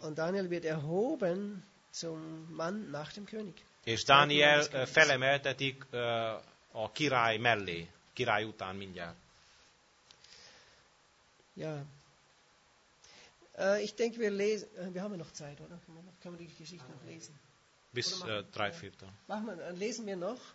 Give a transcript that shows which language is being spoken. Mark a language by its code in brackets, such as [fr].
[de] Und Daniel wird erhoben zum Mann nach dem König. [hu] És Dániel felemeltetik a király mellé, király után mindjárt. [de] Ja. Ich denke, wir lesen, wir haben noch Zeit, oder? Können wir die Geschichte noch lesen? Bis 3-4. Machen wir, lesen wir noch.